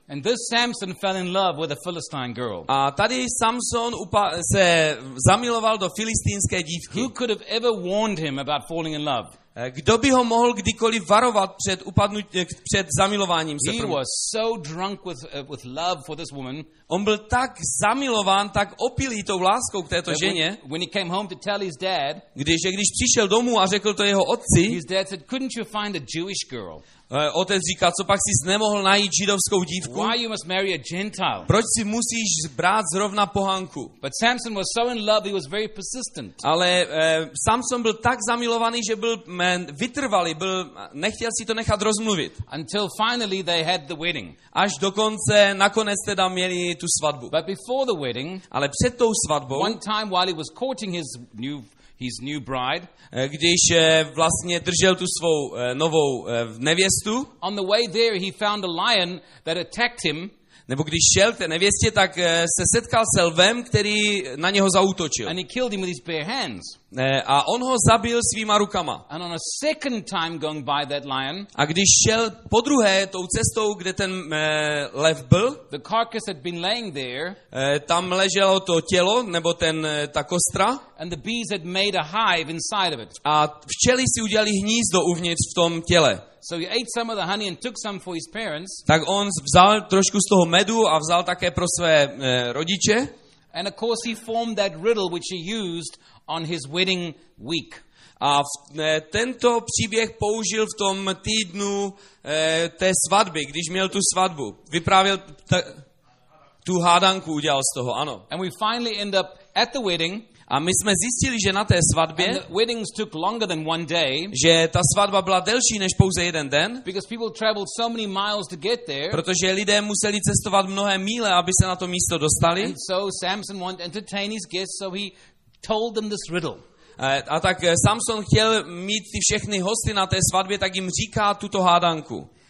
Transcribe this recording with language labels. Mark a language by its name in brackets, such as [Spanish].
[English] And this Samson fell in love with a Philistine girl. [Czech] A tady Samson se zamiloval do filistínské dívky. [English] Who could have ever warned him about falling in love? [Czech] Kdo by ho mohl kdykoliv varovat před zamilováním se? [English] He was so drunk with love for this woman. [Czech] On byl tak zamilován, tak opilý tou láskou k této ženě. [English] When he came home to tell his dad, [Czech] když přišel domů a řekl to jeho otci, [English] his dad said, "Couldn't you find a Jewish girl?" [Czech] Otec říká, co pak jsi nemohl najít židovskou dívku? [English] Why you must marry a Gentile? [Czech] Proč si musíš brát zrovna pohanku? [English] But Samson was so in love, he was very persistent. [Czech] Ale Samson byl tak zamilovaný, že byl vytrvalý, nechtěl si to nechat rozmluvit. [English] Until finally they had the wedding. [Czech] Až dokonce, nakonec teda měli tu svatbu. [English] But before the wedding, [Czech] ale před tou svatbou, [English] one time while he was courting his new bride, [Czech] když vlastně držel tu svou novou nevěstu. [English] On the way there he found a lion that attacked him. [Czech] Nebo když šel k té nevěstě, tak se setkal se lvem, který na něho zautočil. [English] And he killed him with his bare hands. [Czech] A on ho zabil svýma rukama. [English] And on a second time going by that lion, [Czech] a když šel po druhé tou cestou, kde ten lev byl, [English] the carcass had been laying there, [Czech] tam leželo to tělo, nebo ta kostra, [English] and the bees had made a hive inside of it. [Czech] A včely si udělali hnízdo uvnitř v tom těle. [English] So he ate some of the honey and took some for his parents. [Czech] Tak on vzal trošku z toho medu a vzal také pro své rodiče. [English] And of course he formed that riddle which he used on his wedding week. [Czech] A tento příběh použil v tom týdnu té svatby, když měl tu svatbu. Vyprávěl tu hádanku, udělal z toho, ano. [English] And we finally end up at the wedding. [Czech] A my jsme zjistili, že na té svatbě, [English] weddings took longer than one day, [Czech] že ta svatba byla delší než pouze jeden den, [English] because people traveled so many miles to get there, [Czech] protože lidé museli cestovat mnohé míle, aby se na to místo dostali. [English] And so Samson wanted to entertain his guests, so he told them this riddle. [Czech] A tak Samson chtěl mít ty všechny hosty na té svatbě, tak jim říká tuto hádanku.